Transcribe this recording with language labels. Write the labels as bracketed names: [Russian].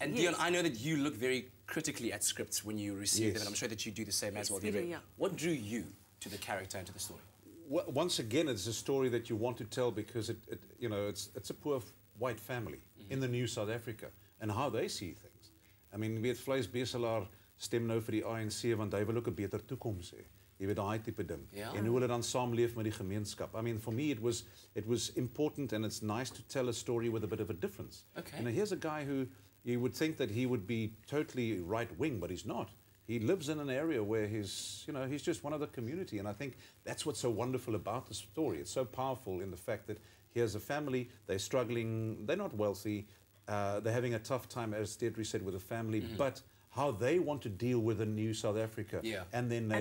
[English] And Deon, I know that you look very critically at scripts when you receive them, and I'm sure that you do the same as well. What drew you to the character and to the story? Well, once again, it's a story that you want to tell because it's a poor white family in the new South Africa, and how they see things. [Afrikaans] I mean, weet, Vleis Beselaar stem nou vir die ANC, want hy wil ook 'n beter toekoms hê. Jy weet, daai tipe ding. [English] Yeah. [Afrikaans] En hoe hulle dan saamleef met die gemeenskap. [English] I mean, for me, it was important and it's nice to tell a story with a bit of a difference. Okay. And now, here's a guy who, you would think that he would be totally right-wing, but he's not. He lives in an area where he's just one of the community. And I think that's what's so wonderful about the story. It's so powerful in the fact that here's a family, they're struggling, they're not wealthy, they're having a tough time, as Deidre said, with the family, but how they want to deal with the new South Africa and their neighbours.